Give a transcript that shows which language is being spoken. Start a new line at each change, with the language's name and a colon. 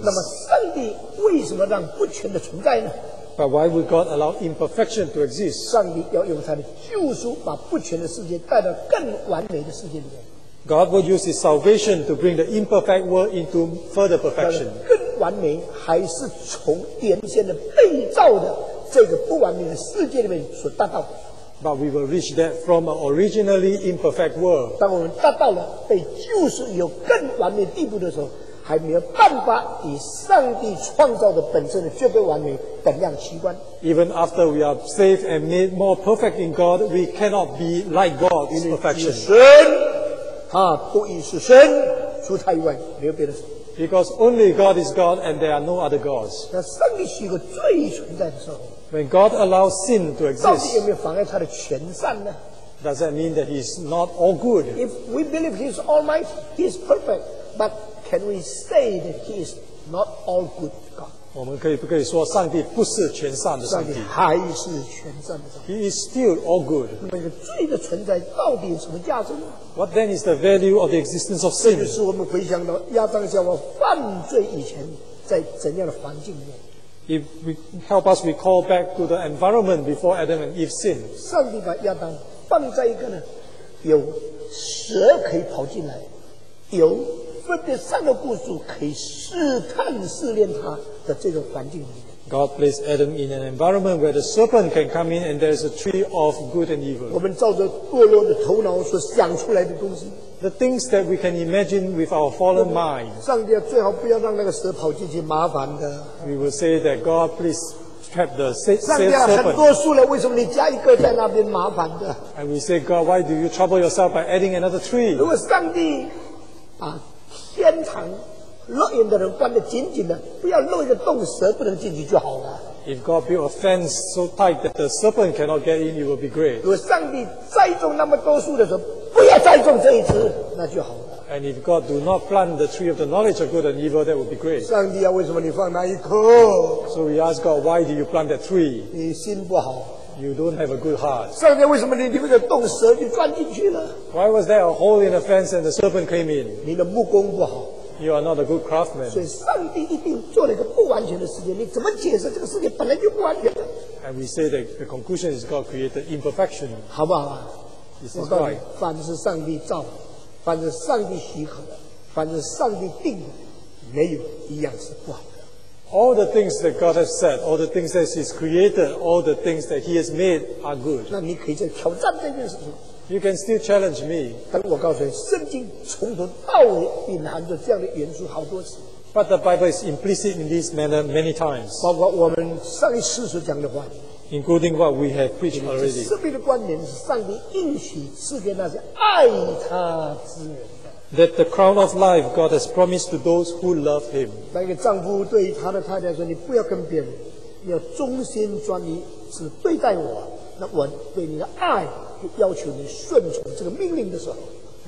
Chinese: 那么上帝为什么让不全的存在呢？
English: But why would God allow imperfection to exist?
Chinese: 上帝要用他的救赎把不全的世界带到更完美的世界里面。
English: God will use His salvation to bring the imperfect world into further perfection.
Chinese: 更完美还是从原先的被造的这个不完美的世界里面所达到的。
English: But we will reach that from an originally imperfect world.
Chinese: 当我们达到了被救赎有更完美地步的时候，还没有办法以上帝创造的本身的绝对完美等量习惯。
English: Even after we are saved and made more perfect in God, we cannot be like God's perfection.
Chinese: 神，他独一是神，除他以外没有别的神。
English: Because only God is God and there are no other gods.
Chinese: 那上帝许可罪存在的时候
English: ，When God allows sin to exist，
Chinese: 到底有没有妨碍他的全善呢？
English: Does that mean that He is not all good? If we believe He is Almighty, He is perfect, but can we say that He is not all good God?
Chinese: 我们可以不可以说上帝不是全善的上帝？上帝还是全善的上帝。
English: He is still all good.
Chinese: 那个罪的存在到底有什么价值呢？
English: What then is the value of the existence of sin?
Chinese: 这就是我们回想到亚当夏娃犯罪以前在怎样的环境里面。
English: If we help us recall back to the environment before Adam and Eve sinned.
Chinese: 上帝把亚当放在一个呢，有蛇可以跑进来，有分别三个步骤可以试探试炼他的这种环境里面。
English: God placed Adam in an environment where the serpent can come in and there is a tree of good and evil.
Chinese: 我们照着堕落的头脑所想出来的东西。
English: The things that we can imagine with our fallen mind.
Chinese: 上帝最好不要让那个蛇跑进去，麻烦的。
English: We will say that God please trap the serpent.
Chinese: 上帝很多树了，为什么你加一个在那边麻烦的？
English: And we say, God, why do you trouble yourself by adding another tree?
Chinese: 如果上帝啊。天堂乐园的人关得紧紧的，不要露一个洞，蛇不能进去就好了。
English: If God built a fence so tight that the serpent cannot get in, it will be great.
Chinese: 如果上帝栽种那么多树的时候，不要栽种这一枝，那就好了。
English: And if God do not plant the tree of the knowledge of good and evil, that would be great.
Chinese: 上帝啊，为什么你放那一棵
English: ？So we ask God, why do you plant that tree?
Chinese: 你心不好。
English: You don't have a good heart.
Chinese: 上帝，为什么你留个洞，蛇就钻进去了
English: ？Why was there a hole in the fence and the serpent came in?
Chinese: 你的木工不好。
English: You are not a good craftsman.
Chinese: 所以上帝一定做了一个不完全的世界，你怎么解释这个世界本来就不完全的？
English: And we say that the conclusion is God created imperfection.
Chinese: 好不好啊？
English: This is why.
Chinese: 凡是上帝造，凡是上帝许可的，凡是上帝定的，没有一样是不好的。
English: All the things that God has said, all the things that He's created, all the things that He has made are good.
Chinese: 那你可以再挑战这件事情。
English: You can still challenge me.
Chinese: 但我告诉你，圣经从头到尾隐含着这样的元素好多次。
English: But the Bible is implicit in this manner many times.
Chinese: 包括我们上一次所讲的话。
English: Including what we have preached already.
Chinese: 生命的冠冕是上帝应许赐给那些爱他之人。
English: That the crown of life God has promised to those who love Him.
Chinese: 那个丈夫对他的太太说：“你不要跟别人，你要忠心专一，只对待我。那我对你的爱，就要求你顺从这个命令的时候。”